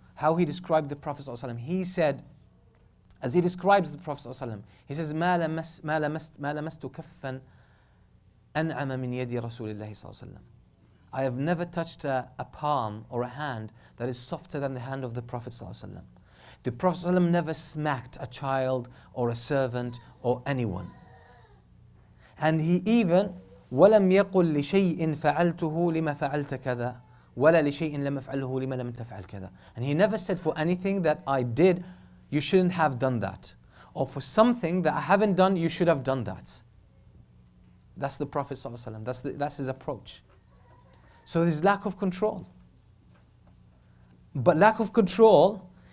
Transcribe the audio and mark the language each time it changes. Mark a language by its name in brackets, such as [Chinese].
[English] How he described the Prophet ﷺ. He said, as he describes the Prophet ﷺ, he says, [Arabic] مَا لَمَسْتُ كَفًّا أَنْعَمَ مِنْ يَدِي رَسُولِ اللَّهِ صَلَّى اللَّهُ عَلَيْهِ وَسَلَّمَ. [English] I have never touched a palm or a hand that is softer than the hand of the Prophet ﷺ. The Prophet ﷺ never smacked a child or a servant or anyone. And he even, [Arabic] وَلَمْ يَقُلْ لِشَيْءٍ فَعَلْتُهُ لِمَا فَعَلْتَ كَذَا وَلَا لِشَيْءٍ لَمْ أَفْعَلْهُ لِمَا لَمْ تَفْعَلْ كَذَا. [English] And he never said, for anything that I did, you shouldn't have done that. Or for something that I haven't done, you should have done that. That's the Prophet ﷺ. That's his approach. So there's lack of control. But lack of control